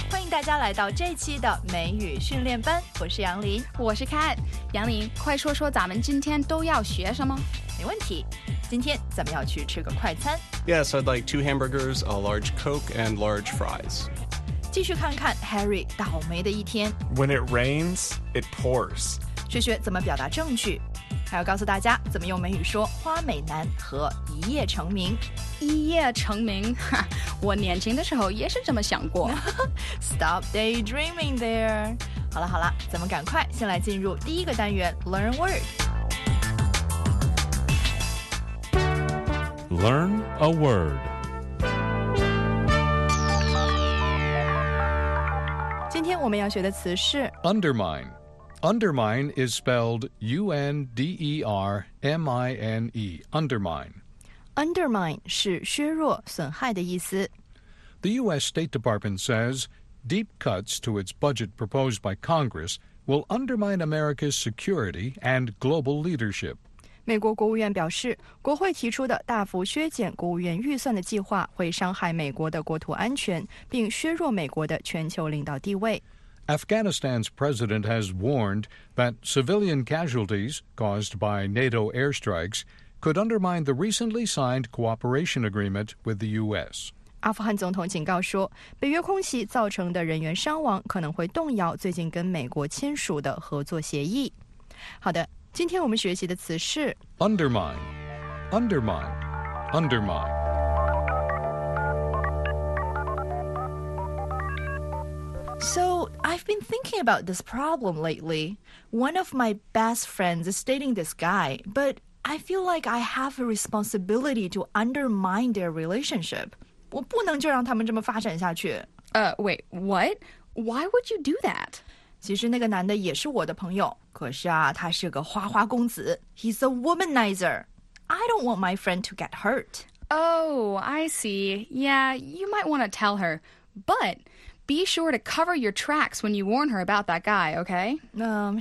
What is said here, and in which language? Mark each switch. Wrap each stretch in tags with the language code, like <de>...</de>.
<zh>大家来到这期的美语训练班，我是杨林，我是凯。杨林，快说说咱们今天都要学什么？没问题，今天咱们要去吃个快餐。</zh> <en>Yes, I'd like 2 hamburgers, a large Coke, and large fries.</en> <zh>继续看看 Harry 倒霉的一天。</zh> <en>When it rains, it pours.</en> <zh>学学怎么表达正句，还要告诉大家怎么用美语说花美男和一夜成名。一夜成名，我年轻的时候也是这么想过。</zh> <en>Stop daydreaming there.</en> <zh>好了好了，咱们赶快先来进入第一个单元 Learn Word。</zh> <en>Learn a word.</en> <zh>今天我们要学的词是</zh> <en>undermine. Undermine is spelled U-N-D-E-R-M-I-N-E. Undermine.</en> <zh>Undermine 是削弱、损害的意思。</zh> <en>The U.S. State Department says deep cuts to its budget proposed by Congress will undermine America's security and global leadership.</en> <zh>美国国务院表示，国会提出的大幅削减国务院预算的计划会伤害美国的国土安全，并削弱美国的全球领导地位。</zh> <en>Afghanistan's president has warned that civilian casualties caused by NATO airstrikes could undermine the recently signed cooperation agreement with the U.S.</en> <zh>阿富汗总统警告说，北约空袭造成的人员伤亡可能会动摇最近跟美国签署的合作协议。好的。今天我们学习的词是</zh> <en>undermine, undermine, undermine. So, I've been thinking about this problem lately. One of my best friends is dating this guy, but I feel like I have a responsibility to undermine their relationship.</en> <zh>我不能就让他们这么发展下去。</zh> <en>Wait, what? Why would you do that?</en> <zh>其实那个男的也是我的朋友，可是啊，他是个花花公子。</zh> <en>He's a womanizer. I don't want my friend to get hurt. Oh, I see. Yeah, you might want to tell her. But be sure to cover your tracks when you warn her about that guy, okay?</en>